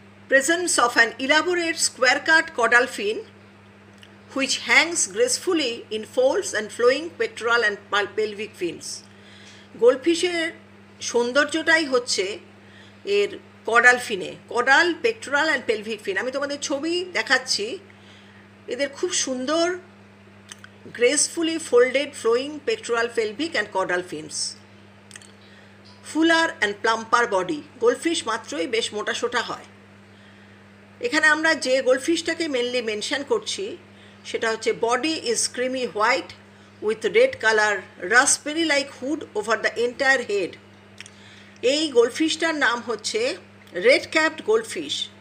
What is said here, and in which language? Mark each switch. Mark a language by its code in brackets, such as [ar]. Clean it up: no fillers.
[en] Presence of an elaborate square cut caudal fin which hangs gracefully in folds and flowing pectoral and pelvic fins. [bn] গোল্ডফিশের সৌন্দর্যটাই হচ্ছে এর caudal ফিনে, caudal, [en] Pectoral and pelvic fin. [bn] আমি তোমাদের ছবি দেখাচ্ছি, এদের খুব সুন্দর [en] gracefully folded flowing pectoral, pelvic and caudal fins. Fuller and plumper body. [bn] Goldfish matroi besh mota shota hoy. এখানে আমরা যে গোলফিশটাকে মেনলি মেনশন করছি সেটা হচ্ছে [en] Body is creamy white with red colour raspberry like hood over the entire head. [bn] এই গোলফিশটার নাম হচ্ছে red ক্যাপড goldfish.